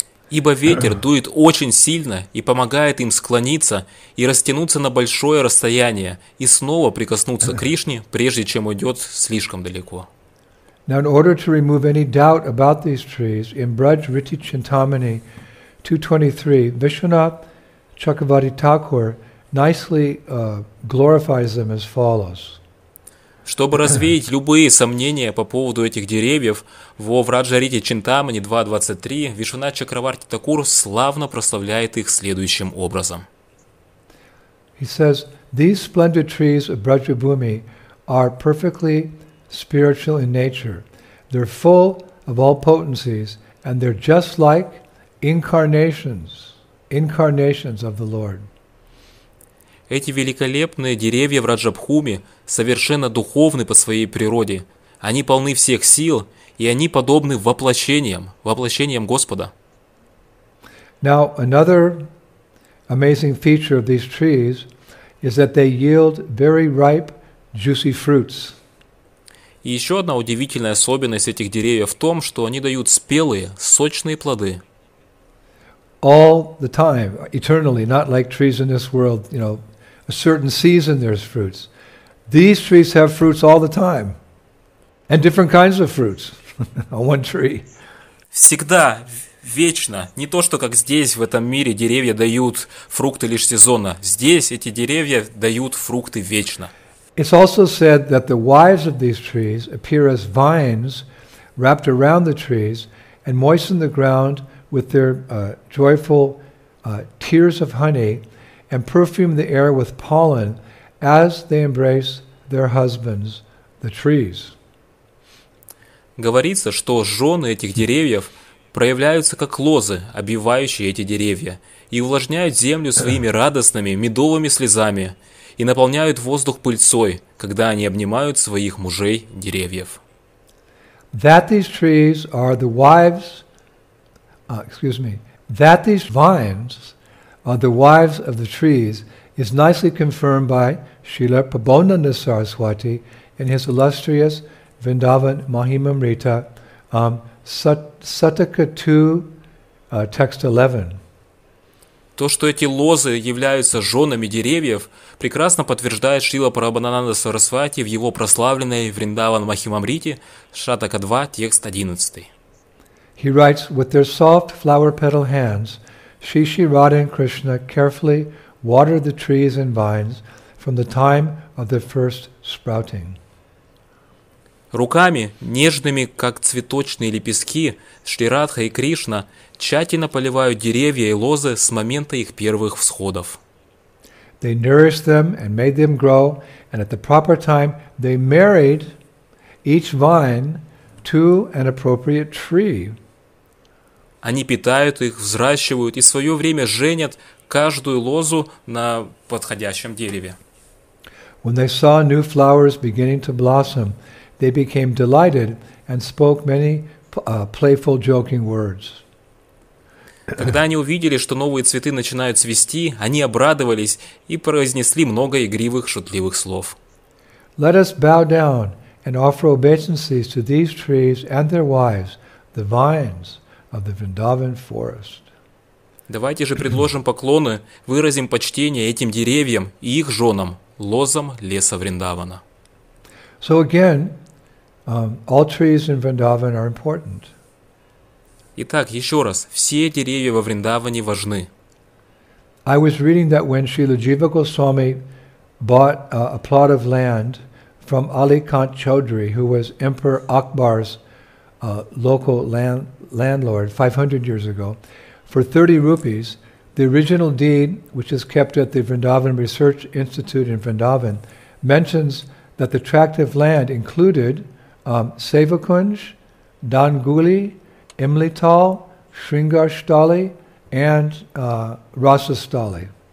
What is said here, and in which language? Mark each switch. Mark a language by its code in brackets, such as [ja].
[ru] Ибо ветер дует очень сильно и помогает им склониться и растянуться на большое расстояние и снова прикоснуться к Кришне, прежде чем уйдет слишком далеко. [en] Now, in order to remove any doubt about these trees, in Braj Riti Chintamani 2.23, Vishwanath Chakravarti Thakur nicely glorifies them as follows. [ru] Чтобы развеять любые сомнения по поводу этих деревьев, во Враджарите Чинтамани 2.23 Вишванат Чакраварти Такур славно прославляет их следующим образом. [en] He says, these splendid trees of Brajabhumi are perfectly spiritual in nature. They're full of all potencies, and they're just like incarnations of the Lord. [ru] Эти великолепные деревья в Раджабхуми совершенно духовны по своей природе. Они полны всех сил, и они подобны воплощениям Господа. [en] Now, another amazing feature of these trees is that they yield very ripe, juicy fruits. [ru] И еще одна удивительная особенность этих деревьев в том, что они дают спелые, сочные плоды. [en] All the time, eternally, not like trees in this world, you know, a certain season there's fruits. These trees have fruits all the time. And different kinds of fruits on one tree. [ru] Всегда, вечно. Не то, что как здесь, в этом мире, деревья дают фрукты лишь сезонно. Здесь эти деревья дают фрукты вечно. [en] It's also said that the wives of these trees appear as vines wrapped around the trees and moisten the ground with their joyful tears of honey and perfume the air with pollen as they embrace their husbands, the trees. [ru] Говорится, что жены этих деревьев проявляются как лозы, обвивающие эти деревья, и увлажняют землю своими радостными медовыми слезами и наполняют воздух пыльцой, когда они обнимают своих мужей деревьев. [en] That these trees are the wives, that these vines are the wives of the trees is nicely confirmed by Srila Prabodhananda Saraswati in his illustrious Vrindavan Mahimamrita, Sataka 2, text 11. [ru] То, что эти лозы являются женами деревьев, прекрасно подтверждает Шрила Прабхананда Сарасвати в его прославленной Вриндаван Махимамрите, Шатака 2, текст 11. [en] He writes, with their soft flower petal hands, Shri Shri Radha and Krishna carefully water the trees and vines from the time of their first sprouting. [ru] Руками, нежными, как цветочные лепестки, Шри Радха и Кришна тщательно поливают деревья и лозы с момента их первых всходов. [en] They nourished them and made them grow, and at the proper time they married each vine to an appropriate tree. [ru] Они питают их, взращивают и в свое время женят каждую лозу на подходящем дереве. [en] When they saw new flowers beginning to blossom, they became delighted and spoke many playful joking words. [ru] Когда они увидели, что новые цветы начинают цвести, они обрадовались и произнесли много игривых, шутливых слов. [en] Let us bow down and offer obeisances to these trees and their wives, the vines of the Vrindavan forest. [ru] Давайте же предложим поклоны, выразим почтение этим деревьям и их женам, лозам леса Вриндавана. [en] So again, all trees in Vrindavan are important. [ru] Итак, еще раз, все деревья во Вриндаване важны. [en] I was reading that when Srila Jiva Goswami bought a plot of land from Ali Khan Chaudhary, who was Emperor Akbar's local landlord 500 years ago, for 30 rupees. The original deed, which is kept at the Vrindavan Research Institute in Vrindavan, mentions that the tract of land included Sevakunj, Danguli, Imlital, Shringarstali, and Rasastali.